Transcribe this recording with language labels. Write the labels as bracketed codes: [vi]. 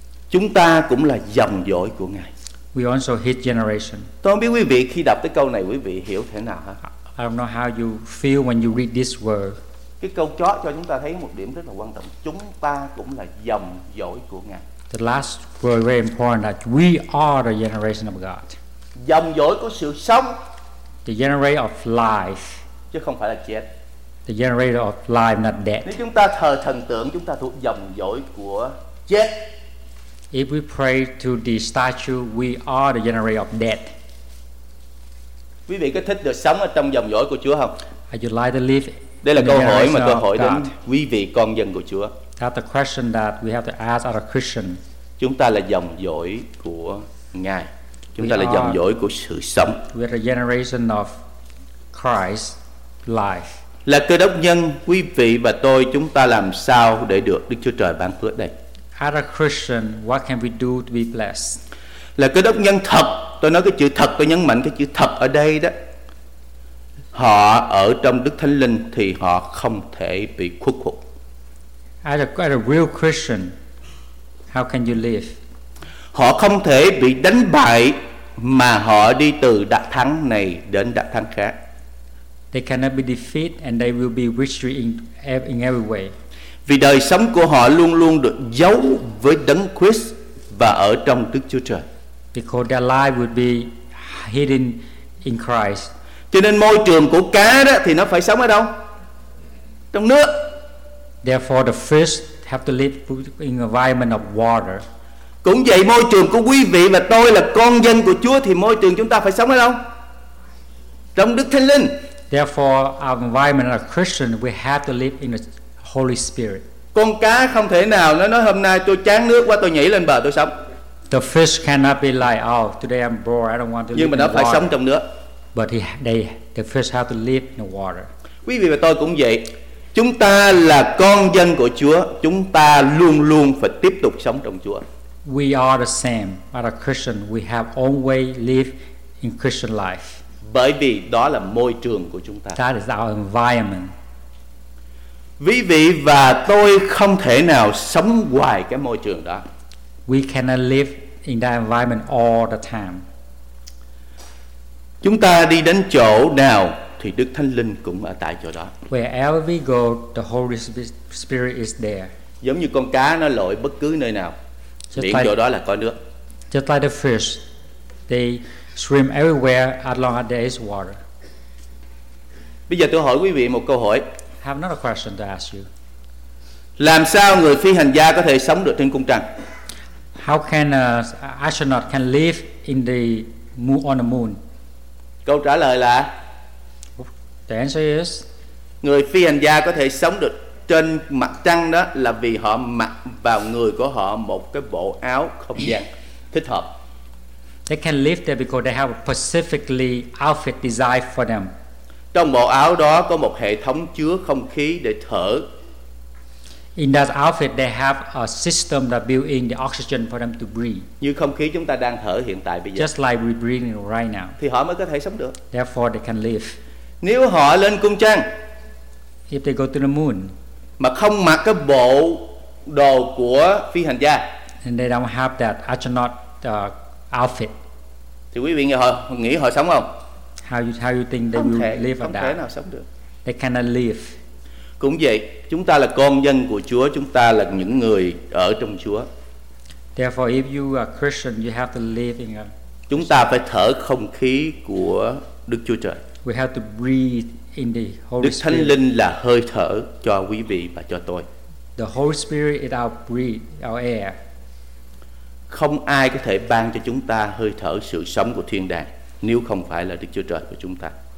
[vi] Chúng ta cũng là dòng dõi của Ngài. [en] We also his generation. [vi] Tôi không biết quý vị khi đọc tới câu này quý vị hiểu thế nào ha? [en] I don't know how you feel when you read this word. [vi] Cái câu chót cho chúng ta thấy một điểm rất là quan trọng. Chúng ta cũng là dòng dõi của Ngài. [en] The last word very important that we are the generation of God. [vi] Dòng dõi của sự sống. [en] The generation of life. [vi] Chứ không phải là chết. [en] The generator of life, not death. [vi] Nếu chúng ta thờ thần tượng, chúng ta thuộc dòng dõi của chết. [en] If we pray to the statue, we are the generator of death. [vi] Quý vị có thích được sống ở trong dòng dõi của Chúa không? [en] Are you like to live? [vi] Đây là câu hỏi mà tôi hỏi đến quý vị con dân của Chúa. [en] That's the question that we have to ask as a Christian. [vi] Chúng ta là dòng dõi của Ngài. Chúng ta là dòng dõi của sự sống. [en] We are the generation of Christ life. [vi] Là cơ đốc nhân, quý vị và tôi, chúng ta làm sao để được Đức Chúa Trời ban phước đây? [en] As a Christian, what can we do to be blessed? [vi] Là cơ đốc nhân thật, tôi nói cái chữ thật, tôi nhấn mạnh cái chữ thật ở đây đó. Họ ở trong Đức Thánh Linh thì họ không thể bị khuất phục. [en] As a real Christian, how can you live? [vi] Họ không thể bị đánh bại mà họ đi từ đặc thắng này đến đặc thắng khác. [en] They cannot be defeated and they will be victory in every way. [vi] Vì đời sống của họ luôn luôn được giấu với Đấng Christ và ở trong Đức Chúa Trời. [en] Because their life would be hidden in Christ. [vi] Cho nên môi trường của cá đó thì nó phải sống ở đâu? Trong nước. [en] Therefore the fish have to live in an environment of water. [vi] Cũng vậy môi trường của quý vị và tôi là con dân của Chúa thì môi trường chúng ta phải sống ở đâu? Trong Đức Thánh Linh. [en] Therefore, our environment as a Christian, we have to live in the Holy Spirit. [vi] Con cá không thể nào nó nói hôm nay tôi chán nước quá tôi nhảy lên bờ tôi sống. [en] The fish cannot be like, oh, today I'm bored, I don't want to. [vi] Nhưng [en] live [vi] mà nó phải sống trong nước. [en] But the fish have to live in the water. [vi] Quý vị và tôi cũng vậy. Chúng ta là con dân của Chúa, chúng ta luôn luôn phải tiếp tục sống trong Chúa. [en] We are the same as a Christian. We have always lived in Christian life. [vi] Bởi vì đó là môi trường của chúng ta. [en] That is our environment. [vi] Quý vị và tôi không thể nào sống ngoài cái môi trường đó. [en] We cannot live in that environment all the time. [vi] Chúng ta đi đến chỗ nào thì Đức Thánh Linh cũng ở tại chỗ đó. [en] Wherever we go, the Holy Spirit is there. [vi] Giống như con cá nó lội bất cứ nơi nào, biển chỗ đó là có nước. [en] Just like the fish, they swim everywhere as long as there is water. [vi] Bây giờ tôi hỏi quý vị một câu hỏi. [en] I have another question to ask you. [vi] Làm sao người phi hành gia có thể sống được trên cung trăng? [en] How can an astronaut can live in the moon on the moon? [vi] Câu trả lời là [en] the answer is [vi] người phi hành gia có thể sống được trên mặt trăng đó là vì họ mặc vào người của họ một cái bộ áo không gian thích hợp. [en] They can live there because they have a specifically outfit designed for them. [vi] Trong bộ áo đó có một hệ thống chứa không khí để thở. [en] In that outfit, they have a system that built in the oxygen for them to breathe. [vi] Như không khí chúng ta đang thở hiện tại bây giờ. [en] Just like we're breathing right now. [vi] Thì họ mới có thể sống được. [en] Therefore, they can live. [vi] Nếu họ lên cung trăng, [en] if they go to the moon, [vi] mà không mặc cái bộ đồ của phi hành gia, [en] and they don't have that astronaut outfit. [vi] Thì quý vị nghĩ họ sống không? [en] How you think they [vi] không [en] will [vi] thể, [en] live [vi] không [en] that? [vi] Thể nào sống được. [en] They cannot live. [vi] Cũng vậy, chúng ta là con dân của Chúa, chúng ta là những người ở trong Chúa. [en] Therefore, if you are Christian, you have to live in a. [vi] Chúng ta phải thở không khí của Đức Chúa Trời. [en] We have to breathe in the Holy Spirit. [vi] Đức Thánh Linh là hơi thở cho quý vị và cho tôi. [en] The Holy Spirit is our breath, our air. [vi] Không ai có thể ban cho chúng ta hơi thở sự sống của thiên đàng nếu không phải là Đức Chúa Trời của chúng ta.